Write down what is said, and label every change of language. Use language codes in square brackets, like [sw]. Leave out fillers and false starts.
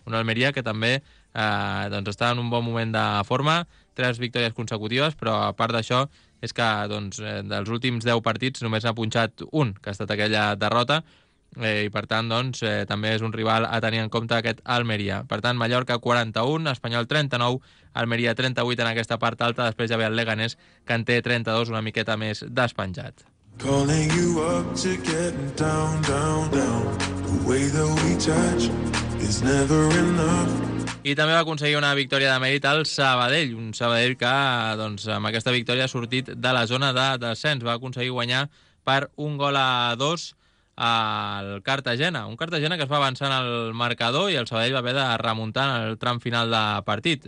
[ca] Un Almeria que també doncs està en un bon moment de forma, 3 victòries consecutives, però a part d'això és que doncs, dels últims 10 partits només ha punxat un, que ha estat aquella derrota, i per tant doncs, també és un rival a tenir en compte, aquest Almeria. Per tant, Mallorca 41, Espanyol 39, Almeria 38 en aquesta part alta, després ja ve el Leganés, que en té 32, una miqueta més despenjat. [en] Calling you up to get down, down, down. The way that we touch is never enough. [ca] I també va aconseguir una victòria de mèrit al Sabadell, un Sabadell que doncs, amb aquesta victòria ha sortit de la zona de descens. Va aconseguir guanyar per 1-2 al Cartagena. Un Cartagena que es va avançar en el marcador i el Sabadell va haver de remuntar en el tram final de partit.